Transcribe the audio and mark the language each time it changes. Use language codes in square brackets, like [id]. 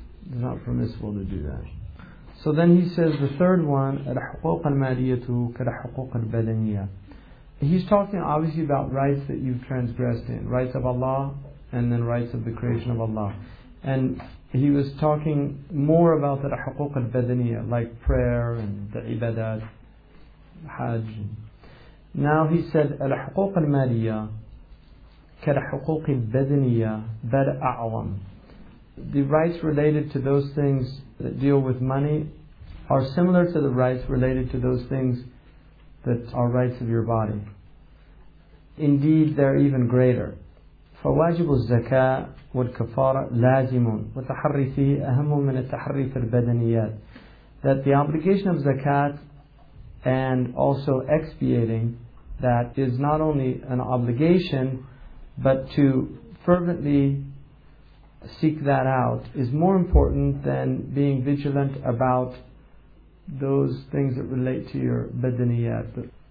[en] It's not permissible to do that. So then he says the third one, [ar] الحقوق المالية كالحقوق البدنية. [en] He's talking obviously about rights that you've transgressed in, rights of Allah and then rights of the creation of Allah. And he was talking more about the [ar] الحقوق البدنية, [en] like prayer and the ibadat, hajj. Now he said [ar] الحقوق المالية كالحقوق البدنية بل أعظم. [en] The rights related to those things that deal with money are similar to the rights related to those things that are rights of your body. Indeed, they're even greater. [ar] فواجب الزكاة والكفارة لازم وتحري فيه أهم من التحري في البدنيات. [en] That the obligation of zakat and also expiating that is not only an obligation, but to fervently seek that out is more important than being vigilant about those things that relate to your badaniyat.